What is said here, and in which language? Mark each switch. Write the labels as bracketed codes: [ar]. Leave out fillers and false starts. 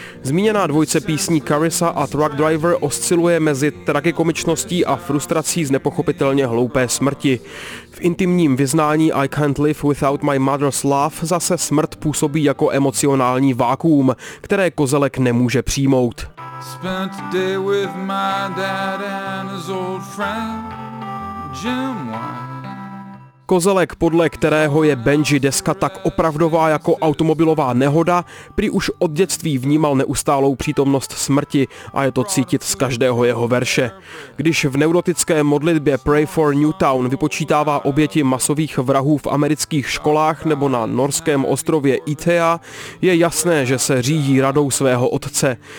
[cs] Zmíněná dvojce písní Carissa a Truck Driver osciluje mezi tragikomičností a frustrací z nepochopitelně hloupé smrti. V intimním vyznání I Can't Live Without My Mother's Love zase smrt působí jako emocionální vákuum, které Kozelek nemůže přijmout. [en] Spent a day with my dad and his old friend, Jim White. [cs] Kozelek, podle kterého je Benji deska tak opravdová jako automobilová nehoda, prý už od dětství vnímal neustálou přítomnost smrti a je to cítit z každého jeho verše. Když v neurotické modlitbě Pray for Newtown vypočítává oběti masových vrahů v amerických školách nebo na norském ostrově Itea, je jasné, že se řídí radou svého otce.